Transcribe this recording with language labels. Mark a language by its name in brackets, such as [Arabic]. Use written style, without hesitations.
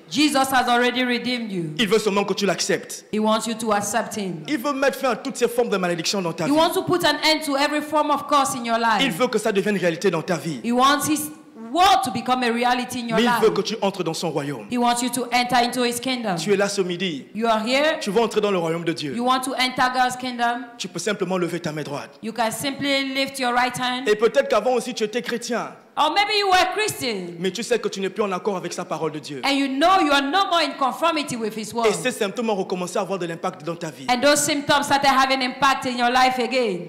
[English] Jesus has already redeemed you. [French] Il veut seulement que tu l'acceptes. [English] He wants you to accept him. [French] Il veut mettre fin à toutes ces formes de malédiction dans ta [English] he [French] vie. [English] He wants to put an end to every form of curse in your life. [French] Il veut que ça devienne réalité dans ta vie. [English] He wants his world to become a reality in your [French] mais [English] life. [French] Il veut que tu entres dans son royaume. [English] He wants you to enter into his kingdom. [French] Tu es là ce midi. [English] You are here. [French] Tu veux entrer dans le royaume de Dieu. [English] You want to enter God's kingdom. [French] Tu peux simplement lever ta main droite. [English] You can simply lift your right hand. [French] Et peut-être qu'avant aussi tu étais chrétien. [English] Or maybe you were Christian. [French] Mais tu sais que tu n'es plus en accord avec sa parole de Dieu. [English] And you know you are no more in conformity with his word. [French] Et ces symptômes ont recommencé à avoir de l'impact dans ta vie. [English] And those symptoms started having impact in your life again.